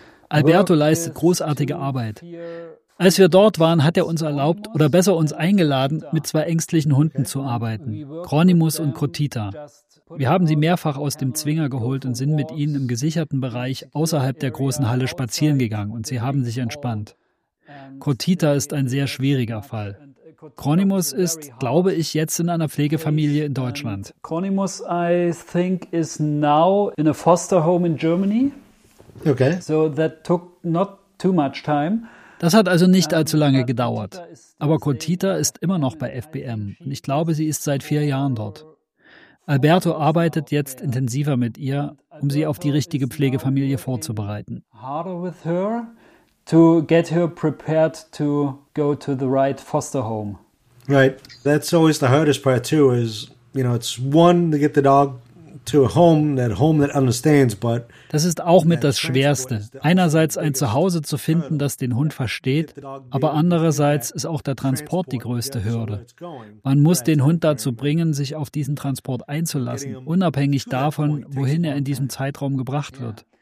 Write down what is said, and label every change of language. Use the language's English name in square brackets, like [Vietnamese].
[German] Alberto leistet großartige Arbeit. Als wir dort waren, hat er uns erlaubt oder besser uns eingeladen, mit 2 ängstlichen Hunden zu arbeiten, Gronimus und Cotita. Wir haben sie mehrfach aus dem Zwinger geholt und sind mit ihnen im gesicherten Bereich außerhalb der großen Halle spazieren gegangen und sie haben sich entspannt. Cotita ist ein sehr schwieriger Fall. Gronimus ist, glaube ich, jetzt in einer Pflegefamilie in Deutschland. [English] Gronimus, I think, is now in a foster home in Germany. Okay. So that took not too much time. [German] Das hat also nicht allzu lange gedauert. Aber Cotita ist immer noch bei FBM und ich glaube, sie ist seit 4 Jahren dort. Alberto arbeitet jetzt intensiver mit ihr, um sie auf die richtige Pflegefamilie vorzubereiten. [English] Harder with her. To get her prepared to go to the right foster home. Right. That's always the hardest part too is, you know, it's one to get the dog to a home that understands, but [German] das ist auch mit das Schwerste. Einerseits ein Zuhause zu finden, das den Hund versteht, aber andererseits ist auch der Transport die größte Hürde. Man muss den Hund dazu bringen, sich auf diesen Transport einzulassen, unabhängig davon, wohin er in diesem Zeitraum gebracht wird.